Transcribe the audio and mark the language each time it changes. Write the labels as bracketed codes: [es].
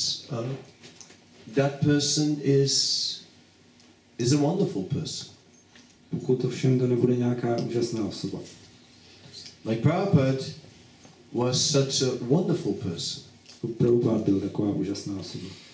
[en] Unless that person is a wonderful person. [cs] Pokud ovšem to nebude nějaká úžasná osoba. [en] Like Prabhupada was such a wonderful person. [cs] Prabhupada byl taková úžasná osoba.